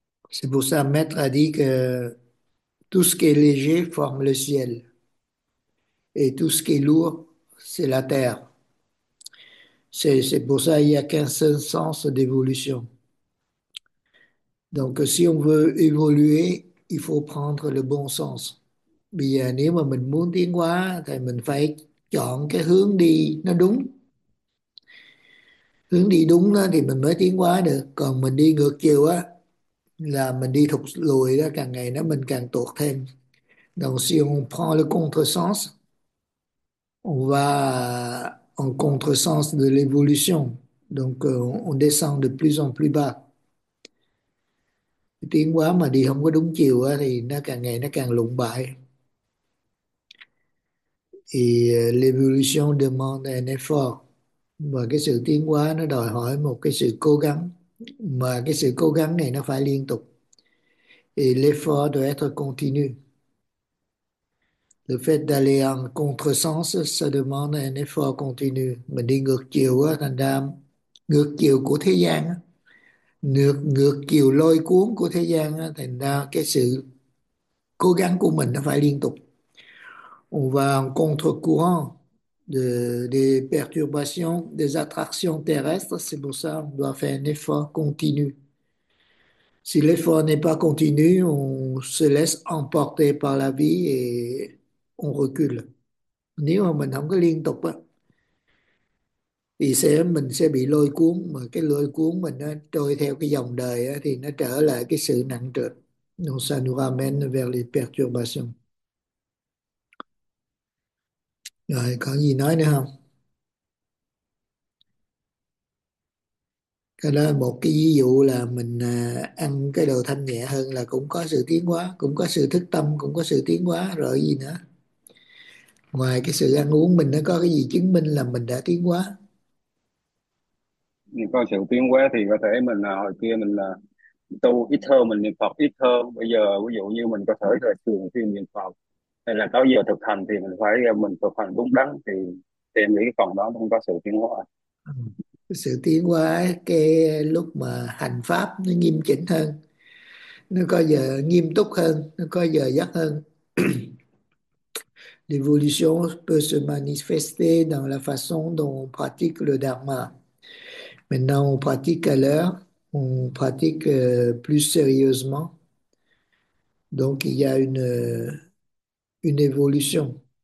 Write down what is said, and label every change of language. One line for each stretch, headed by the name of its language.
French: C'est pour ça, Maître a dit que tout ce qui est léger forme le ciel et tout ce qui est lourd, c'est la terre. C'est pour ça qu'il n'y a qu'un seul sens d'évolution. Donc, si on veut évoluer, il faut prendre le bon sens.
Vietnamese: Bây giờ, nếu mà mình muốn tiến hóa, thì mình phải chọn cái hướng đi nó đúng. Hướng đi đúng đó, thì mình mới tiến hóa được. Còn mình đi ngược chiều á, là mình đi thụt lùi đó, càng ngày nó mình càng tuột thêm.
French: Donc si on prend le contresens, on va en contresens de l'évolution. Donc on descend de plus en plus bas.
Vietnamese: Tiến hóa mà đi không có đúng chiều đó, thì nó càng ngày nó càng lụng bại.
French: Thì l'évolution demande un effort.
Vietnamese: Và cái sự tiến hóa nó đòi hỏi một cái sự cố gắng. Mà cái sự cố gắng này nó phải liên tục.
French: Et l'effort doit être continu. Le fait d'aller en contresens, ça demande un effort continu.
Vietnamese: Mình đi ngược chiều á, thành ra ngược chiều của thế gian á, ngược ngược chiều lôi cuốn của thế gian á, thành ra cái sự cố gắng của mình nó phải liên tục và
French: contre courant des perturbations, des attractions terrestres, c'est pour ça qu'on doit faire un effort continu. Si l'effort n'est pas continu, on se laisse emporter par la vie et on recule.
Vietnamese: Nếu mà mình không có liên tục á, thì mình sẽ bị lôi cuốn, mà cái lôi cuốn mình nó trôi theo cái dòng đời á, thì nó trở lại cái sự nặng trịch.
French: Donc ça nous ramène vers les perturbations.
Vietnamese: Rồi, có gì nói nữa không? Cái đó là một cái ví dụ là mình ăn cái đồ thanh nhẹ hơn là cũng có sự tiến hóa, cũng có sự thức tâm, cũng có sự tiến hóa. Rồi gì nữa? Ngoài cái sự ăn uống mình, nó có cái gì chứng minh là mình đã tiến hóa? Nhưng có sự tiến hóa thì có thể mình là hồi kia mình là tu ít hơn, mình niệm Phật ít hơn, bây giờ ví dụ như mình có thể là thường xuyên niệm Phật hay là có giờ thực hành thì mình thực hành đúng đắn, thì em nghĩ cái phần đó cũng có sự tiến hóa. Sự tiến hóa cái lúc mà hành pháp nó nghiêm chỉnh hơn, nó có giờ nghiêm túc hơn, nó có giờ giấc hơn.
French: L'évolution peut se manifester dans la façon dont on pratique le dharma. Maintenant, on pratique à l'heure, on pratique plus sérieusement. Donc, il y a une évolution.